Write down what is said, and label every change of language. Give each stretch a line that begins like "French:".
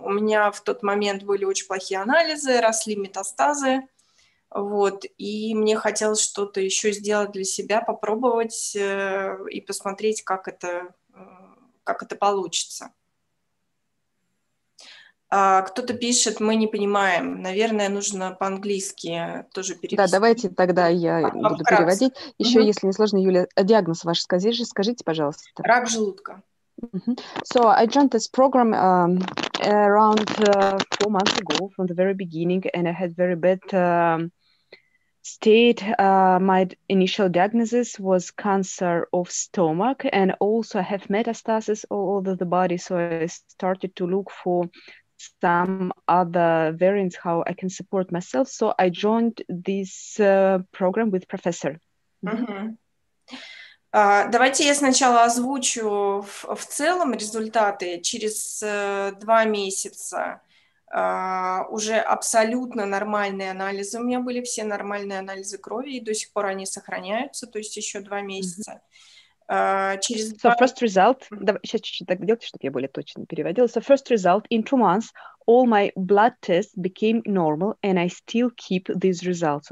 Russian: У меня в тот момент были очень плохие анализы, росли метастазы, вот, и мне хотелось что-то еще сделать для себя, попробовать и посмотреть, как это получится. Кто-то пишет, мы не понимаем. Наверное, нужно по-английски тоже перевести. Да, давайте тогда я буду переводить. Еще, если не сложно, Юля, диагноз ваш скажите, пожалуйста. Рак желудка.
English: So I joined this program around 4 months ago, from the very beginning, and I had very bad state. My initial diagnosis was cancer of stomach, and also I have metastasis all over the body. So I started to look for some other variants, how I can support myself. So I joined this program with professor.
Russian: Давайте я сначала озвучу в целом результаты. Через 2 месяца уже абсолютно нормальные анализы. У меня были все нормальные анализы крови, и до сих пор они сохраняются, то есть еще 2 месяца.
English: So first result,
Russian: сейчас чуть-чуть так делайте, чтобы я более точно переводила.
English: So first result, in 2 months, all my blood tests became normal, and I still keep these results.